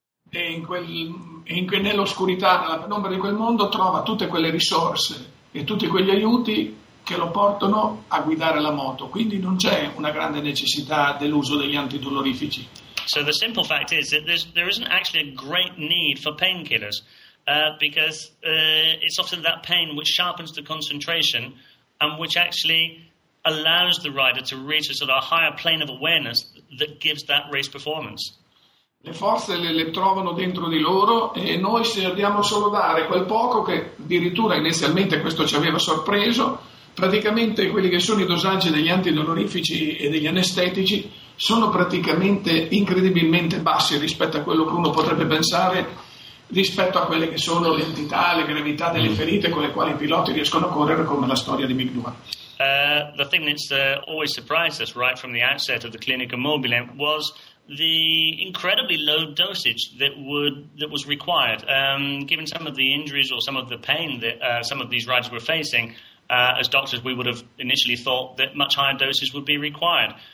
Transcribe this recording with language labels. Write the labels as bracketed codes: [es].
[it] E nell'oscurità, nella penombra di quel mondo, trova tutte quelle risorse e tutti quegli aiuti che lo portano a guidare la moto. Quindi non c'è una grande necessità dell'uso degli antidolorifici. [en] So the simple fact is that there isn't actually a great need for painkillers because it's often that pain which sharpens the concentration and which actually allows the rider to reach a sort of a higher plane of awareness that gives that race performance. [it] Le forze le trovano dentro di loro e noi se andiamo solo dare quel poco che addirittura inizialmente questo ci aveva sorpreso, praticamente quelli che sono i dosaggi degli antidolorifici e degli anestetici sono praticamente incredibilmente bassi rispetto a quello che uno potrebbe pensare, rispetto a quelle che sono l'entità, le gravità delle ferite con le quali i piloti riescono a correre, come la storia di McDougall. [en] The thing that's always surprised us right from the outset of the Clinica Mobile was the incredibly low dosage that was required. Given some of the injuries or some of the pain that some of these riders were facing, as doctors, we would have initially thought that much higher doses would be required.